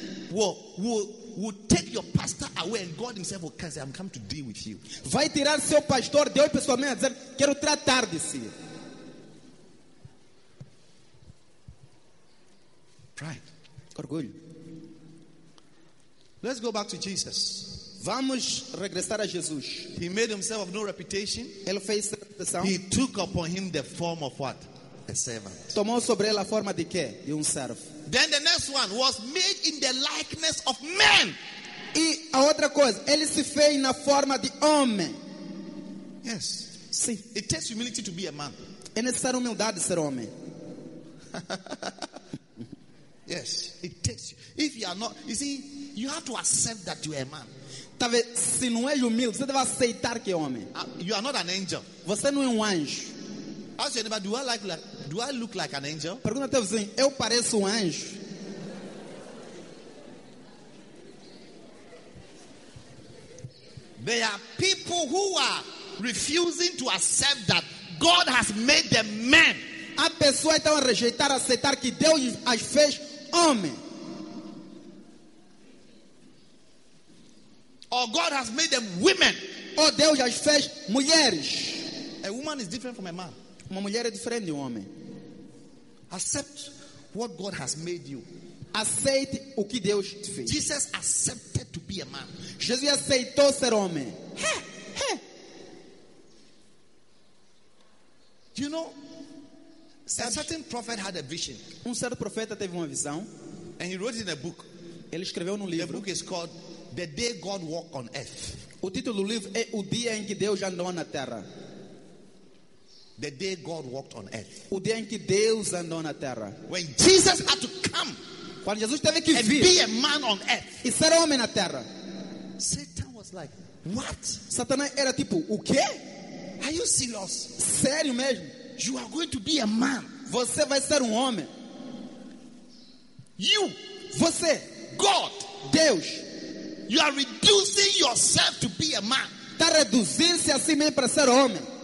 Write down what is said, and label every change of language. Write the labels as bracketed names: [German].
[English] Will take your pastor away and God himself will come and say, "I'm coming to deal with you." [Portuguese] Vai tirar seu pastor, Deus pessoalmente, a dizer, quero tratar de si. [English] Pride. [Portuguese] Orgulho. [English] Let's go back to Jesus. [Portuguese] Vamos regressar a Jesus. [English] He made himself of no reputation. [Portuguese] Ele fez reputação. [English] He took upon him the form of what? A servant. [Portuguese] Tomou sobre ele a forma de quê? De servo. [English] Then the next one was made in the likeness of man. [Portuguese] E a outra coisa, ele se fez na forma de homem. [English] Yes. [Portuguese] Sim. [English] It takes humility to be a man. [Portuguese] É necessário humildade ser homem. [English] Yes. It takes you. If you are not, you see, you have to accept that you are a man. [Portuguese] Se não é humilde, você deve aceitar que é homem. [English] You are not an angel. [Portuguese] Você não é um anjo. [English] Ask your neighbor, do I look like an angel? [Portuguese] Pergunta teu vizinho, eu pareço um anjo? [English] There are people who are refusing to accept that God has made them men. [Portuguese] Há pessoas que estão a rejeitar, aceitar que Deus as fez homem. [English] Or God has made them women. [Portuguese] Oh, Deus as fez mulheres. [English] A woman is different from a man. [Portuguese] Uma mulher é diferente de um homem. [English] Accept what God has made you. [Portuguese] Aceite o que Deus te fez. [English] Jesus accepted to be a man. [Portuguese] Jesus aceitou ser homem. [English] You know, a certain prophet had a vision. [Portuguese] Certo profeta teve uma visão. [English] And he wrote it in a book. [Portuguese] Ele escreveu num livro. [English] The book is called The Day God Walked on Earth. [Portuguese] O título do livro é O Dia em que Deus Andou na Terra. [English] The Day God Walked on Earth. [Portuguese] O dia em que Deus andou na Terra. [English] When Jesus had to come. [Portuguese] Quando Jesus teve que vir. [English] And be a man on Earth. [Portuguese] E ser homem na Terra. [English] Satan was like, what? [Portuguese] Satanás era tipo, o quê? [English] Are you serious? [Portuguese] Sério mesmo? [English] You are going to be a man. [Portuguese] Você vai ser homem. [English] You. [Portuguese] Você. [English] God. [Portuguese] Deus. [English] You are reducing yourself to be a man. [Portuguese] Está reduzindo-se a si mesmo para ser homem.